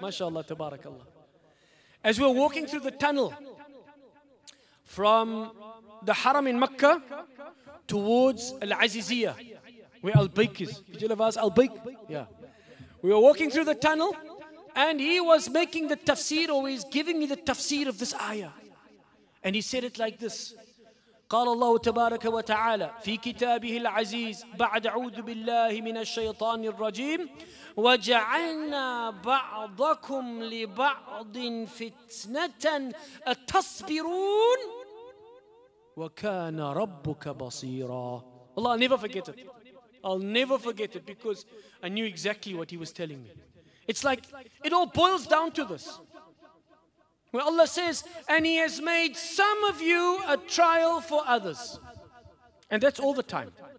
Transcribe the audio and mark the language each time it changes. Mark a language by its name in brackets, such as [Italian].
[English] MashaAllah, tabarakAllah. As we're walking through the tunnel from the Haram in Mecca towards Al-Aziziyya, where Al-Bayk is. Did you ever ask Al-Bayk? Yeah. We were walking through the tunnel, and he was making the tafsir, or he's giving me the tafsir of this ayah. And he said it like this. [Arabic] قال الله تبارك وتعالى في كتابه العزيز بعد أعوذ بالله من الشيطان الرجيم وجعلنا بعضكم لبعض فتنة أتصبرون وَكَانَ رَبُّكَ بَصِيرًا. [English] Allah, I'll never forget it. I'll never forget it because I knew exactly what he was telling me. It's like, it all boils down to this. Where Allah says, and he has made some of you a trial for others. And that's all the time.